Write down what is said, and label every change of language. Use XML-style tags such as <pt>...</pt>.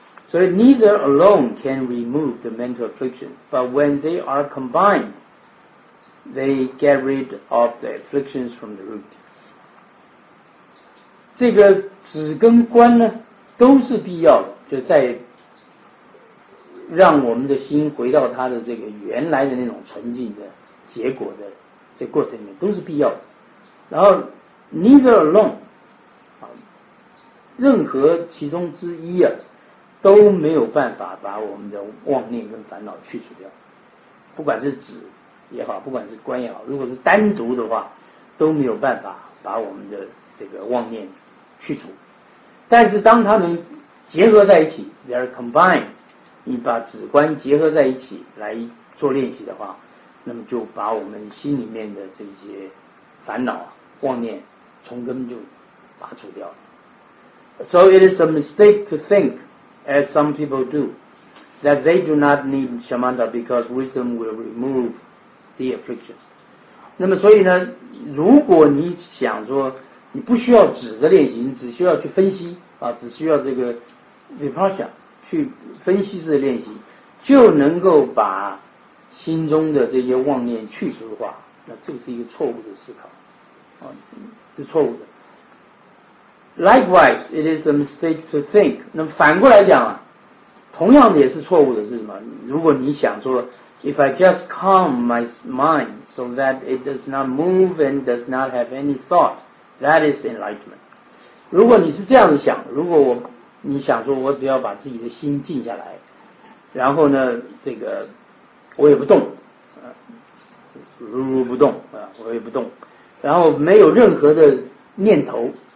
<en>So neither alone can remove the mental affliction, but when they are combined, they get rid of the afflictions from the root.</en> <zh>这个止跟观呢，都是必要的，就在让我们的心回到它的这个原来的那种纯净的结果的这个、过程里面都是必要的。然后</zh> <en>neither alone，</en> <zh>啊，任何其中之一啊，都没有办法把我们的妄念跟烦恼去除掉，不管是止也好，不管是观也好，如果是单独的话，都没有办法把我们的这个妄念去除。但是当他们结合在一起 ，</zh> <en>they are combined，</en> <zh>你把止观结合在一起来做练习的话，那么就把我们心里面的这些烦恼妄念从根就拔除掉了。</zh> <en>So it is a mistake to think. As some people do, that they do not need shamatha because wisdom will remove the afflictions.</en> <zh>那么所以呢，如果你想说你不需要止的练习，你只需要去分析啊，只需要这个 vipassana 去分析式的练习，就能够把心中的这些妄念去除的话，那这是一个错误的思考啊，是错误的。</zh> <en>Likewise, it is a mistake to think.</en> <zh>那么反过来讲啊，同样的也是错误的是什么？如果你想说</zh> <en>，if I just calm my mind so that it does not move and does not have any thought, that is enlightenment.</en> <zh>如果你是这样子想，如果你想说我只要把自己的心静下来，然后呢，这个我也不动，如如不动啊，我也不动，然后没有任何的念头。</zh>